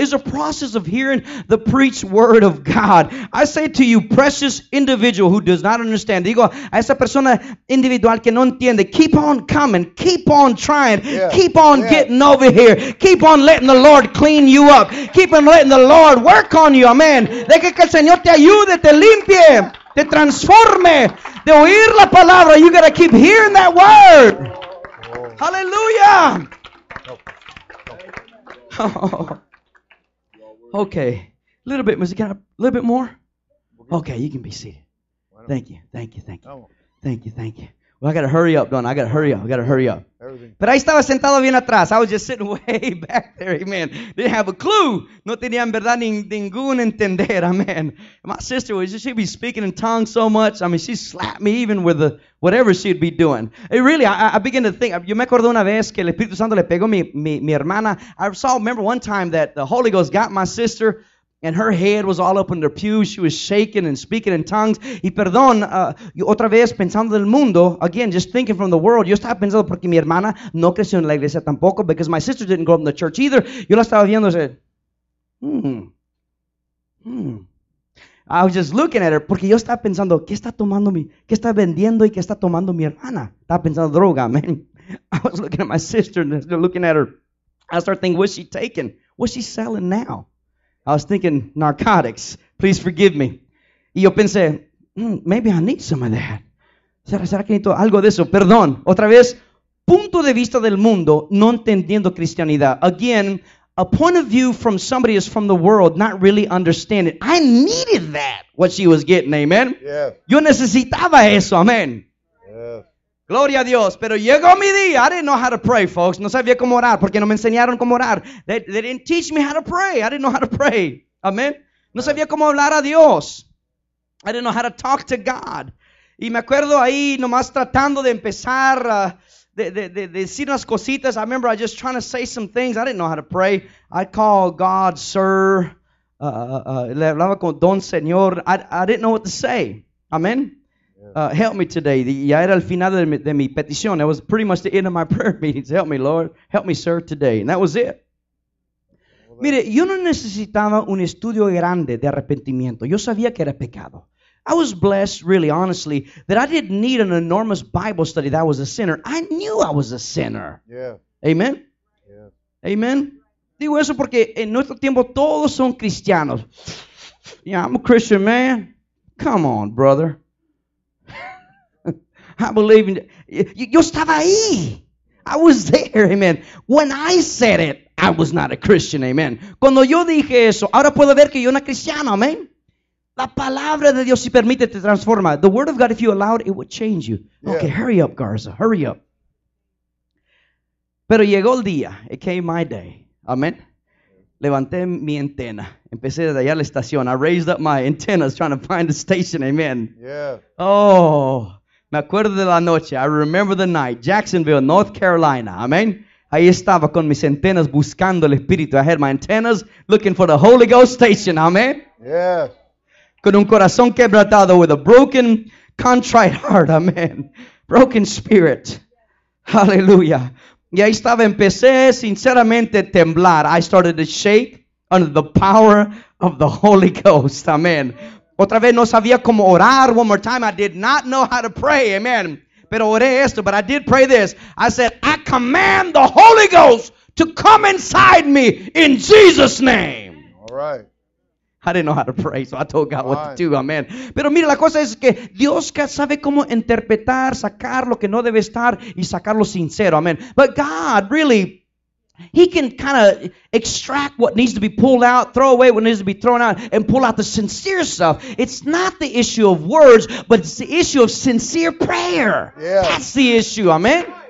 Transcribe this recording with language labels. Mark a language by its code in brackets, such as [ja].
[en] It's a process of hearing the preached word of God. I say to you, precious individual who does not understand. [es] Digo a esa persona individual que no entiende. [en] Keep on coming. Keep on trying. Yeah. Keep on getting over here. Keep on letting the Lord clean you up. Keep on letting the Lord work on you. Amen. [es] Deja que el Señor te ayude, te limpie. Te transforme de oír la palabra. [en] You got to keep hearing that word. Oh. Hallelujah. Oh. Okay. A little bit, Mr. Can I, a little bit more? Okay, you can be seated. Thank you. Thank you. Thank you. Thank you. Thank you. Well, I got to hurry up, don't I? I got to hurry up. I got to hurry up. But I [es] estaba sentado bien atrás. [en] I was just sitting way back there. Amen. Didn't have a clue. [es] No tenía en verdad ningún entender. [en] Amen. My sister, she'd be speaking in tongues so much. I mean, she slapped me even with the whatever she'd be doing. It really, I began to think. [es] Yo me acuerdo una vez que el Espíritu Santo le pegó mi hermana. [en] I saw, remember one time that the Holy Ghost got my sister and her head was all up in her pew. She was shaking and speaking in tongues. [es] Y perdón, otra vez pensando del mundo, [en] again, just thinking from the world, [es] yo estaba pensando porque mi hermana no creció en la iglesia tampoco, [en] because my sister didn't grow up in the church either. [es] Yo la estaba viendo y [en] said, I was just looking at her, [es] porque yo estaba pensando, ¿qué está tomando mi, qué está vendiendo y qué está tomando mi hermana? Estaba pensando droga, man. [en] I was looking at my sister and looking at her. I started thinking, what's she taking? What's she selling now? I was thinking, narcotics, please forgive me. [es] Y yo pensé, [en] maybe I need some of that. [es] ¿Será que necesito algo de eso? Perdón. Otra vez, punto de vista del mundo, no entendiendo cristianidad. [en] Again, a point of view from somebody who's from the world, not really understanding. I needed that, what she was getting, amen? Yeah. [es] Yo necesitaba eso, amen. Gloria a Dios, pero llegó mi día. [en] I didn't know how to pray, folks. [es] No sabía cómo orar porque no me enseñaron cómo orar. [en] They didn't teach me how to pray. I didn't know how to pray. Amen. [es] No sabía cómo hablar a Dios. [en] I didn't know how to talk to God. [es] Y me acuerdo ahí nomás tratando de empezar de decir unas cositas. [en] I remember I just trying to say some things. I didn't know how to pray. I'd call God, sir. [es] Le hablaba con Don Señor. [en] I didn't know what to say. Amen. Help me today. [es] Ya era el final de mi petición. [en] That was pretty much the end of my prayer meetings. Help me, Lord. Help me, sir, today. And that was it. [es] Mire, yo no necesitaba un estudio grande de arrepentimiento. Yo sabía que era pecado. [en] I was blessed, really, honestly, that I didn't need an enormous Bible study that I was a sinner. I knew I was a sinner. Yeah. Amen? Yeah. [es] Amen? Digo eso porque en nuestro tiempo todos son cristianos. [en] Yeah, I'm a Christian man. Come on, brother. I believe in you. [es] Yo estaba ahí. [en] I was there, amen. When I said it, I was not a Christian, amen. [es] Cuando yo dije eso, ahora puedo ver que yo era cristiano, amen. La palabra de Dios, si permite, te transforma. [en] The word of God, if you allowed, it would change you. Yeah. Okay, hurry up, Garza, hurry up. [es] Pero llegó el día. [en] It came my day. [es] Amen. Levanté mi antena. Empecé desde allá la estación. [en] I raised up my antennas trying to find the station. Amen. Yeah. [es] Oh, me acuerdo de la noche. [en] I remember the night. [es] Jacksonville, North Carolina. Amen. Ahí estaba con mis antenas buscando el Espíritu. [en] I had my antennas looking for the Holy Ghost station. Amen. Yeah. [es] Con un corazón quebrantado, [en] with a broken, contrite heart. Amen. Broken spirit. [es] Hallelujah. Y ahí estaba, empecé sinceramente a temblar. [en] I started to shake under the power of the Holy Ghost. Amen. [es] Otra vez no sabía cómo orar. [en] One more time, I did not know how to pray. Amen. [es] Pero oré esto, [en] but I did pray this. I said, I command the Holy Ghost to come inside me in Jesus' name. All right. I didn't know how to pray, so I told God what to do. Amen. [es] Pero mira, la cosa es que Dios sabe cómo interpretar, sacar lo que no debe estar y sacar lo sincero. [en] Amen. But God, really, He can kind of extract what needs to be pulled out, throw away what needs to be thrown out, and pull out the sincere stuff. It's not the issue of words, but it's the issue of sincere prayer. Yeah. That's the issue. Amen.